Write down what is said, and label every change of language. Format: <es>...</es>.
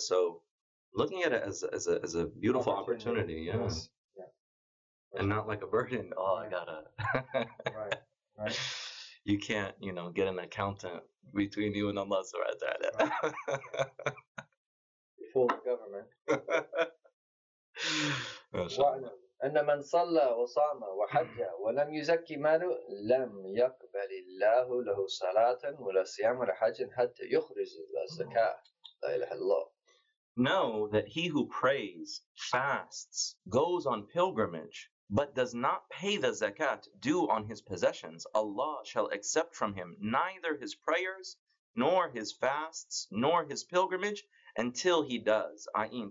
<en>So looking at it as a beautiful opportunity, yes. Yeah. And not like a burden. Oh, yeah. I gotta. Right. You can't, you know, get an accountant between you and Allah subhanahu wa ta'ala. Before the government.</en> <ar>أن من صلى وصام وحج ولم يزكي ماله لم يقبل الله له صلاة ولا صيام ولا حج حتى يخرج الزكاة. لا إله إلا الله.</ar> <en>Know that he who prays, fasts, goes on pilgrimage, but does not pay the zakat due on his possessions, Allah shall accept from him neither his prayers, nor his fasts, nor his pilgrimage, until he does, i.e.</en>